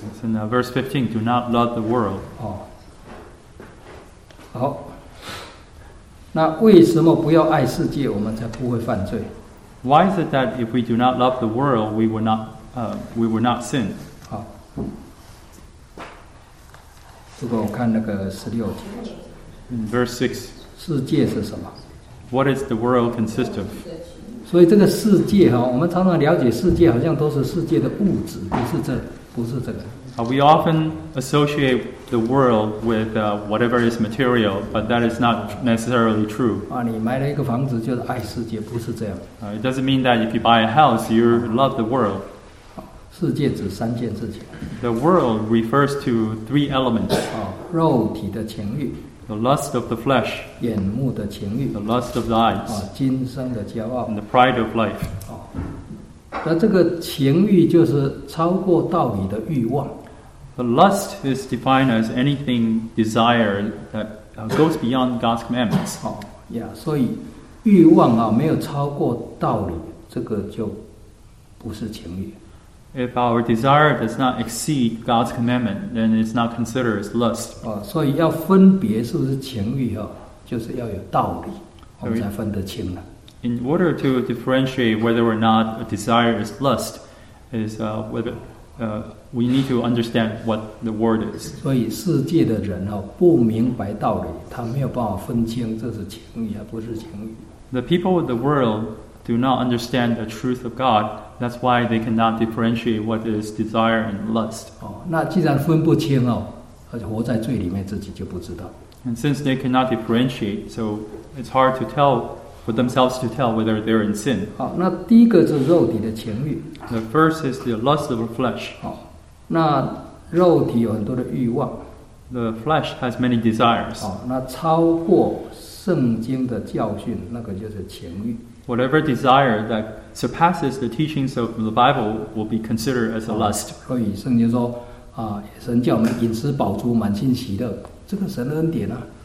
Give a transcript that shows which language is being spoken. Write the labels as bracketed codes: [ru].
[en] So now, verse 15, do not love the world. [zh] 哦，好。那为什么不要爱世界，我们才不会犯罪？ [en] Why is it that if we do not love the world, we will not sin? [zh] 好。如果我看那个十六节。 [en] In verse 6. [zh] 世界是什么？ [en] What is the world consist of? [zh] 所以这个世界哈，我们常常了解世界，好像都是世界的物质，不是这个。 [en] We often associate the world with whatever is material, but that is not necessarily true. [zh] 啊，你买了一个房子就是爱世界，不是这样。 [en] It doesn't mean that if you buy a house, you love the world. [zh] 世界指三件事情。 [en] The world refers to three elements. [zh] 啊，肉体的情欲。 [en] The lust of the flesh, [zh] 眼目的情欲, [en] the lust of the eyes, [zh] 啊, 今生的骄傲, [en] and the pride of life. [zh] 那这个情欲就是超过道理的欲望。 [en] The lust is defined as anything desire that goes beyond God's commandments. [zh] 所以欲望啊，没有超过道理，这个就不是情欲。 [en] If our desire does not exceed God's commandment, then it's not considered as lust. [zh] 所以要分别是不是情欲哦，就是要有道理，我们才分得清呢。 [en] In order to differentiate whether or not a desire is lust, is whether we need to understand what the word is. [zh] 所以世界的人哦，不明白道理，他没有办法分清这是情欲还不是情欲。 [en] The people of the world do not understand the truth of God. That's why they cannot differentiate what is desire and lust. [zh] 那既然分不清哦，而且活在罪里面，自己就不知道。 [en] And since they cannot differentiate, so it's hard to tell for themselves to tell whether they're in sin. [zh] 那第一个是肉体的情欲。 [en] The first is the lust of the flesh. [zh] 那肉体有很多的欲望。 [en] The flesh has many desires. [zh] 那超过圣经的教训，那个就是情欲。 [en] Whatever desire that surpasses the teachings of the Bible will be considered as a lust. [zh] 所以圣经说，神叫我们饮食饱足，满心喜乐，这个神的恩典啊。